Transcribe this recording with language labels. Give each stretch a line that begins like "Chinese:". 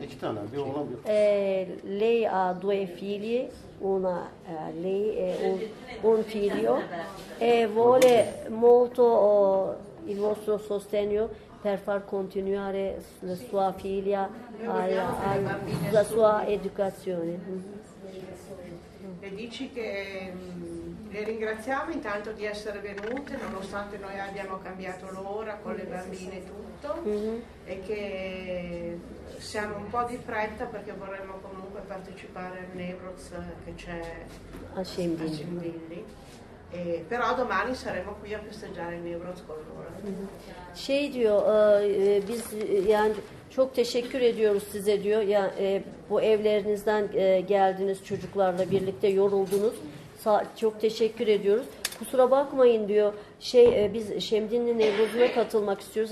Turkish: İki tane, bir oğlan bir kız.
Italian: Lei ha due figli, una lei e un figlio e vuole molto il vostro sostegno per far continuare la sua figlia alla sua educazione. E dici che Le ringraziamo intanto di essere venute, nonostante noi abbiamo cambiato l'ora con le bambine e tutto, e che siamo un po' di fretta perché vorremmo comunque partecipare al Nevroz che c'è a Cimbilli. Però domani saremo qui a festeggiare il Nevroz con loro.
Turkish: Şey diyor, biz yani çok teşekkür ediyoruz size diyor. Ya bu evlerinizden geldiniz çocuklarla birlikte yoruldunuz. Çok teşekkür ediyoruz. Kusura bakmayın diyor. Biz Şemdinli Nevruz'a katılmak istiyoruz.